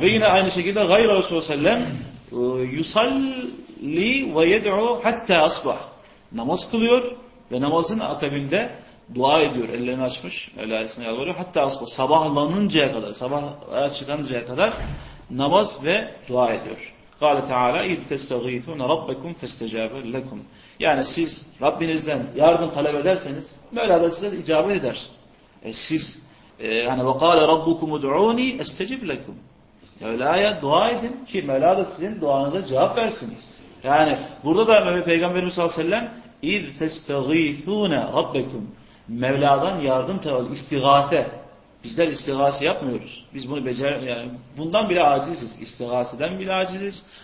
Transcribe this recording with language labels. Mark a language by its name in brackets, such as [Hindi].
[Turkish] Ve yine aynı şekilde [Arabic] gayr-ı Resulü sellem yusalli ve yed'u hatta asbah. [Turkish] Namaz kılıyor ve namazın akabinde dua ediyor. Ellerini açmış. Mevla Aleyhisselam yalvarıyor. [Arabic] Hatta asbah. [Turkish] Sabahlanıncaya kadar, sabah çıkıncaya kadar namaz ve dua ediyor. [Arabic] Kâle Teala اِذْ تَسْتَغِيْتُونَ رَبَّكُمْ فَاسْتَجَابَ لَكُمْ. [Turkish] Yani siz Rabbinizden yardım talep ederseniz Mevla da size icabet eder. Siz hani [Arabic] وَقَالَ رَبُّكُمُ اُدْعُونِي اَسْتَجِبْ لَكُمْ. [Turkish] Mevla'ya dua edin ki Mevla da sizin duanıza cevap versiniz. Yani burada da Peygamberimiz sallallahu aleyhi ve sellem [Arabic] اِذْ تَسْتَغِيْتُونَ رَبَّكُمْ. [Turkish] Mevla'dan yardım talep, istigate. Bizler istigase yapmıyoruz. Biz bunu yani bundan bile aciziz. İstigaseden bile aciziz.